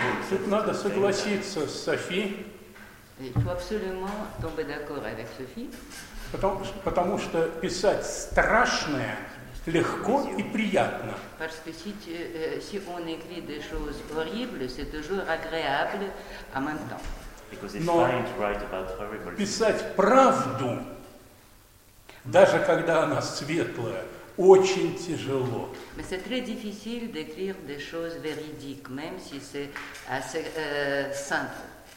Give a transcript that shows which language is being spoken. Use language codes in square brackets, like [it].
[ru] Тут надо согласиться с Софи. [fr] Il faut absolument tomber d'accord avec Sophie. [ru] Потому что писать страшное легко и приятно. [fr] Parce que si on écrit des choses horribles, c'est toujours agréable en même temps. [ru] Но писать правду, даже когда она светлая, очень тяжело. [fr] Mais c'est très difficile d'écrire des choses véridiques, même si c'est assez simple.